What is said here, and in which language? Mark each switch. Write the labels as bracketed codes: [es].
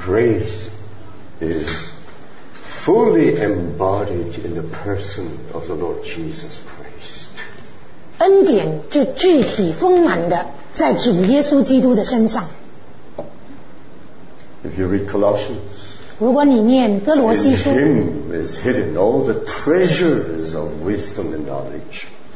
[en] Grace is fully embodied in the person of the Lord Jesus Christ. [zh] 恩典就具体丰满的 在主耶稣基督的身上。 [en] If you read Colossians, [zh] 如果你念哥罗西书, [en] in him is hidden all the treasures of wisdom and knowledge.